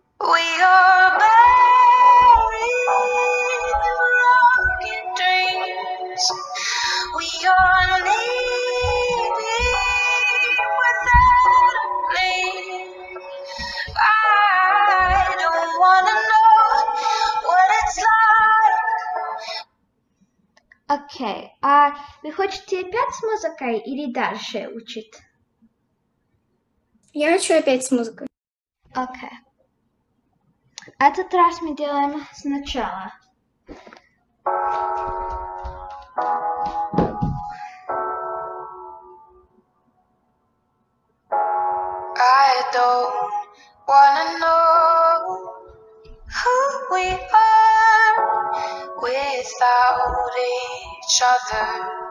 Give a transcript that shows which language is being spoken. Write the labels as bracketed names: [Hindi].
[English] We are buried in rocky dreams. We are leaving without a name. I don't wanna know what it's like. [Russian] Окей, вы хотите опять с музыкой или дальше учить? Я хочу опять с музыкой. Окей. Этот раз мы делаем сначала. [English] I don't wanna know who we are without each other.